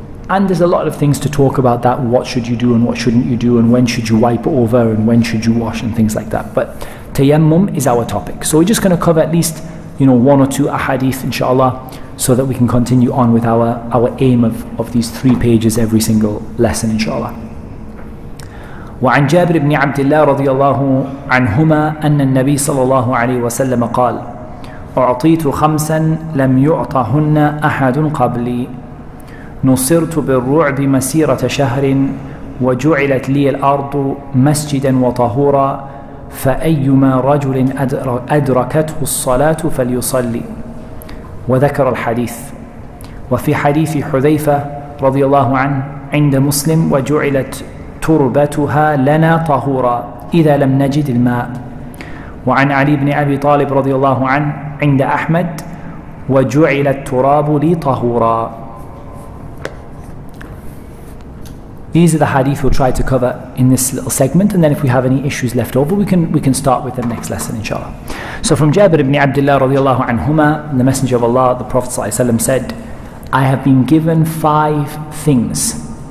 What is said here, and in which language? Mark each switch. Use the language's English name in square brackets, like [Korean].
[English] And there's a lot of things to talk about that, what should you do and what shouldn't you do, and when should you wipe over and when should you wash and things like that. But tayammum is our topic. So we're just going to cover at least, you know, one or two ahadith inshallah, so that we can continue on with our aim of these three pages every single lesson inshallah. [Arabic] وعن جابر بن عبد الله رضي الله عنهما أن النبي صلى الله عليه وسلم قال أعطيت خمسا لم يعطهن أحد قبلي نصرت بالرعب مسيرة شهر وجعلت لي الأرض مسجدا وطهورا فأيما رجل أدركته الصلاة فليصلي وذكر الحديث وفي حديث حذيفة رضي الله عنه عند مسلم وجعلت تربتها لنا طهورا إذا لم نجد الماء وعن علي بن أبي طالب رضي الله عنه عند أحمد وجعل التراب لي طهورا. [English] These are the hadith we'll try to cover in this little segment, and then if we have any issues left over, we can start with the next lesson inshallah. So from Jabir ibn Abdullah radiallahu anhuma, the Messenger of Allah, the Prophet ﷺ said, I have been given five things.